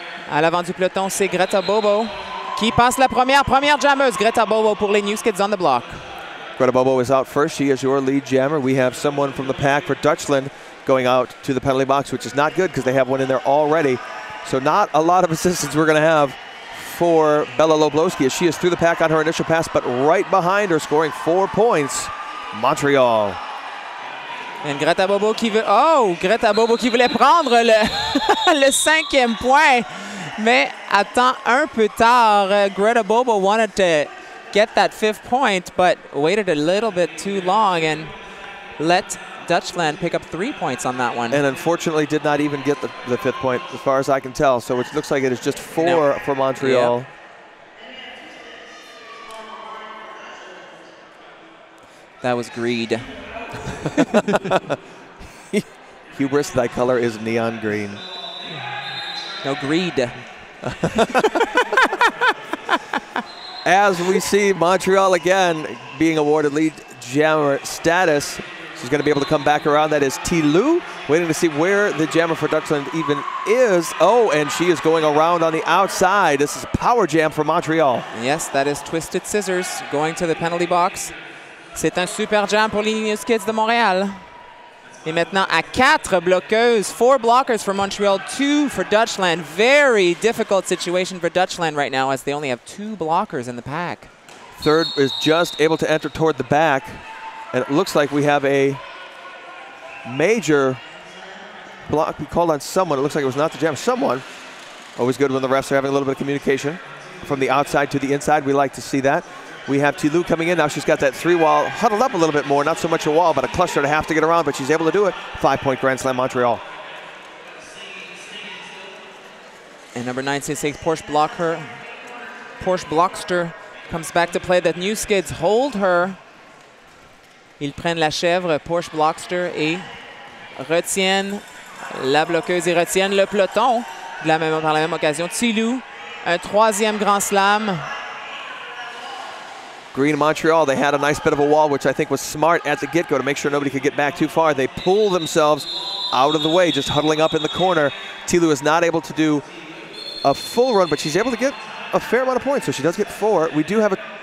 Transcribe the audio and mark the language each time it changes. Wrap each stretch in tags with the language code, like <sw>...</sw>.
<fr>À l'avant du peloton, c'est Greta Bobo qui passe la première jammeuse. Greta Bobo pour les New Kids on the Block.</fr> <en>Greta Bobo is out first. She is your lead jammer. We have someone from the pack for Dutchland going out to the penalty box, which is not good because they have one in there already. So not a lot of assistance we're going to have for Bella Leblowski as she is through the pack on her initial pass, but right behind her scoring 4 points, Montreal.</en> <fr>And Greta Bobo qui veut... Oh! Greta Bobo qui voulait prendre le cinquième point. Mais attend un peu tard.</fr> <en>Greta Bobo wanted to get that fifth point, but waited a little bit too long and let Dutchland pick up 3 points on that one. And unfortunately did not even get the fifth point, as far as I can tell. So it looks like it is just four for Montreal. Yeah. That was greed. Hubris, thy color is neon green. No, greed. As we see Montreal again being awarded lead jammer status, she's going to be able to come back around. That is T. Lou waiting to see where the jammer for Dutchland even is. Oh, and she is going around on the outside. This is a power jam for Montreal. Yes, that is Twisted Scissors going to the penalty box.</en> <fr>C'est un super jam pour les New Kids de Montréal. Et maintenant à 4 bloqueuses,</fr> <en>4 blockers for Montreal, 2 for Dutchland. Very difficult situation for Dutchland right now as they only have 2 blockers in the pack. Third is just able to enter toward the back. And it looks like we have a major block. We called on someone. It looks like it was not the jam. Someone. Always good when the refs are having a little bit of communication from the outside to the inside. We like to see that. We have T. Lou coming in now. She's got that 3-wall huddled up a little bit more. Not so much a wall, but a cluster to have to get around. But she's able to do it. 5-point Grand Slam Montreal. And number 96, Porsche Blocker. Porsche Blockster comes back to play. The New Skids hold her.</en> <fr>Ils prennent la chèvre, Porsche Blockster, et retiennent la bloqueuse. Ils retiennent le peloton par la même occasion. T. Lou, un troisième Grand Slam.</fr> <en>Green Montreal, they had a nice bit of a wall, which I think was smart at the get-go to make sure nobody could get back too far. They pull themselves out of the way, just huddling up in the corner. T. Lou is not able to do a full run, but she's able to get a fair amount of points, so she does get 4. We do have a...</en>